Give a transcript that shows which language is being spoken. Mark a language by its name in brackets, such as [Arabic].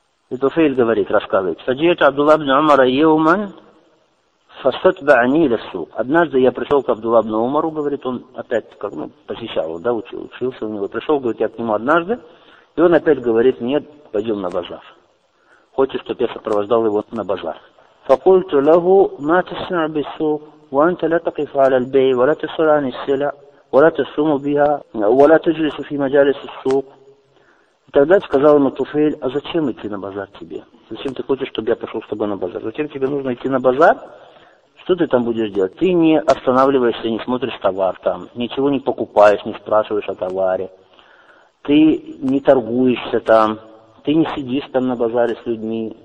[Russian] И Туфейль говорит, рассказывает: [Arabic] «Саджиэта Абдулла ибн Умара еуман, фасатба ани ля сук». [Russian] Однажды я пришел к Абдулла ибн Умару, говорит, он опять, как, ну, посещал, да, учился у него, пришел, говорит, я к нему однажды, и он опять говорит, нет, пойдем на базар. Хочешь, чтобы я сопровождал его на базар? [Arabic] فقلت له ما تصنع بالسوق وانت لا تقف على البيع ولا تسأل عن السلع ولا تصوم بها ولا تجلس في مجالس السوق. [Russian] Тогда сказал ему Туфейль: а зачем идти на базар тебе? Зачем ты хочешь, чтобы я пошел с тобой на базар? Зачем тебе нужно идти на базар, Что ты там будешь делать? Ты не останавливаешься, не смотришь товар там, ничего не покупаешь, не спрашиваешь о товаре. Ты не торгуешься там, ты не сидишь там на базаре с людьми.